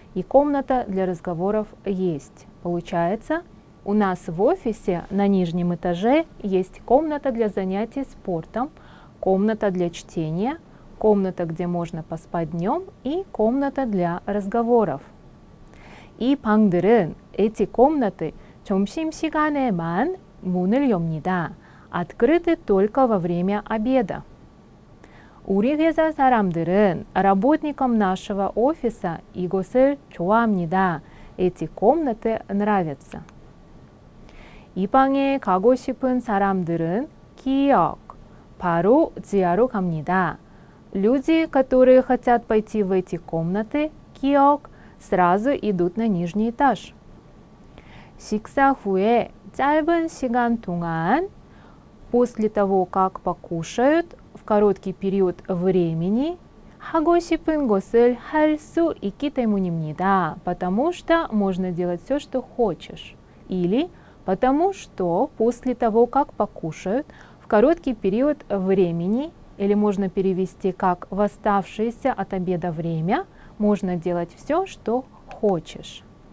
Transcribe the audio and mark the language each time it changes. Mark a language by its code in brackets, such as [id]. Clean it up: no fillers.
[ru] И комната для разговоров есть. Получается, у нас в офисе на нижнем этаже есть комната для занятий спортом, комната для чтения, комната, где можно поспать днем, и комната для разговоров. [ko] И 방들은, [ru] эти комнаты, [ko] 점심시간에만 문을 엽니다. [ru] Открыты только во время обеда. [ko] 우리 회사 사람들은 [ru] работникам нашего офиса [ko] 이곳을 좋아합니다. [ru] Эти комнаты нравятся. [ko] 이 방에 가고 싶은 사람들은 기억, 바로 지하로 갑니다. [ru] Люди, которые хотят пойти в эти комнаты, 기억, сразу идут на нижний этаж. [ko] 식사 후에 짧은 시간 동안, [ru] после того, как покушают, в короткий период времени, [ko] 하고 싶은 것을 할 수 있기 때문입니다. [ru] Потому что можно делать все, что хочешь. Или потому что после того, как покушают, в короткий период времени, или можно перевести как в оставшееся от обеда время, можно делать все, что хочешь.